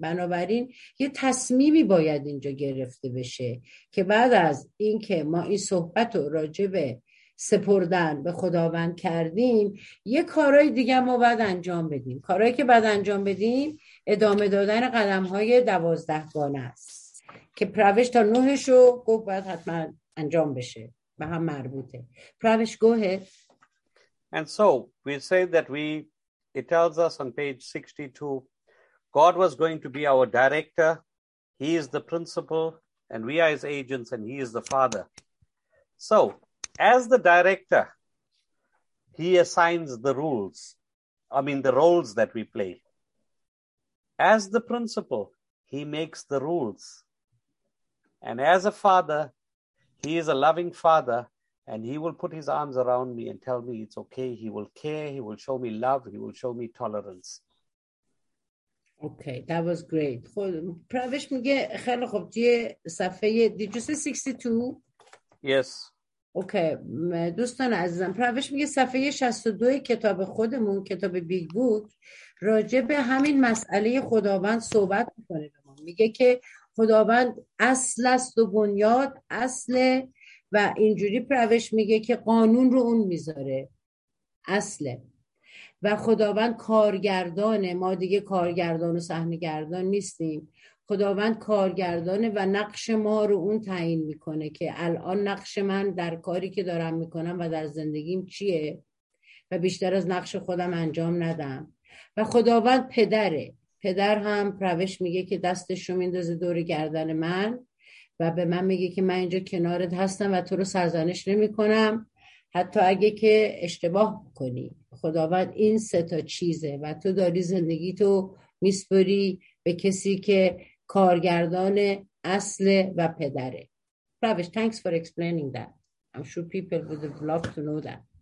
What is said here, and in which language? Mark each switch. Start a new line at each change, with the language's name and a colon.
Persian: بنابراین یه تصمیمی باید اینجا گرفته بشه که بعد از اینکه ما این صحبت رو راجع به سپردن به خداوند کردیم، یه کارهای دیگه ما بعد انجام بدیم. کارهایی که بعد انجام بدیم ادامه دادن قدم های 12 گانه است که پروش تا نوهشو گفت باید حتما انجام بشه، به هم مربوطه. پروش گوه.
English: And so we say that we it tells us on page 62 God was going to be our director. He is the principal and we are his agents and he is the father. So as the director, he assigns the rules, I mean the roles that we play. As the principal, he makes the rules. And as a father, he is a loving father, and he will put his arms around me and tell me it's okay. He will care, he will show me love, he will show me tolerance. Okay, that was great.
Persian: Pravesh mige khale khob tie safhe,
English: did you say 62? Yes.
Persian: اوکی دوستان عزیزم، پروش میگه صفحه 62 کتاب خودمون، کتاب بیگ بوک، راجع به همین مسئله خداوند صحبت میکنه به ما. میگه که خداوند اصل است و بنیاد اصله، و اینجوری پروش میگه که قانون رو اون میذاره اصله، و خداوند کارگردانه. ما دیگه کارگردان و صحنه‌گردان نیستیم، خداوند کارگردانه و نقش ما رو اون تعیین میکنه که الان نقش من در کاری که دارم میکنم و در زندگیم چیه و بیشتر از نقش خودم انجام ندم. و خداوند پدره. پدر هم پروش میگه که دستش رو میندازه دور گردن من و به من میگه که من اینجا کنارت هستم و تو رو سرزنش نمیکنم حتی اگه که اشتباه کنی. خداوند این سه تا چیزه و تو داری زندگی تو میسپری به کسی که کارگردان اصل و پدره.
English: Pravesh, thanks for explaining that. I'm sure people would have loved to know that.